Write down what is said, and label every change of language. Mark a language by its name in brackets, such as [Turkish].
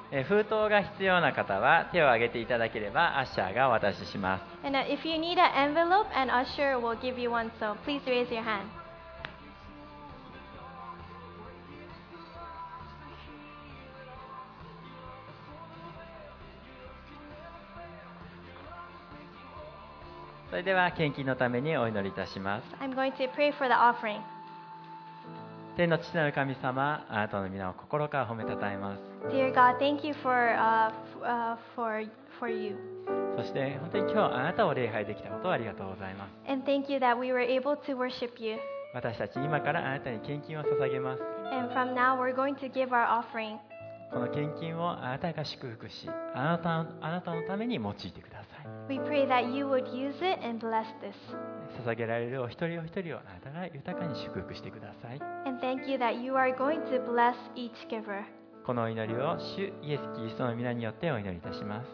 [Japanese] 封筒が必要な方は手を挙げていただければアッシャーがお渡しします。 [English] And if you need an envelope, an usher will give you one, so please raise your hand. [Japanese] それでは献金のためにお祈りいたします。 [English] I'm going to pray for the offering. [Japanese] 天の父なる神様、あなたの皆を心から褒めたたえます。 [English] Dear God, thank you for you. [Japanese] そして本当に今日あなたを礼拝できたことをありがとうございます。 [English] And thank you that we were able to worship you. [Japanese] 私たち今からあなたに献金を捧げます。 [English] And from now we're going to give our offering. [Japanese] この献金をあなたが祝福し、あなたのために用いてください。 [English] We pray that you would use it and bless this. [Japanese] 捧げられるお一人お一人をあなたが豊かに祝福してください。 [English] And thank you that you are going to bless each giver. [Japanese] このお祈りを主イエスキリストの御名によってお祈りいたします。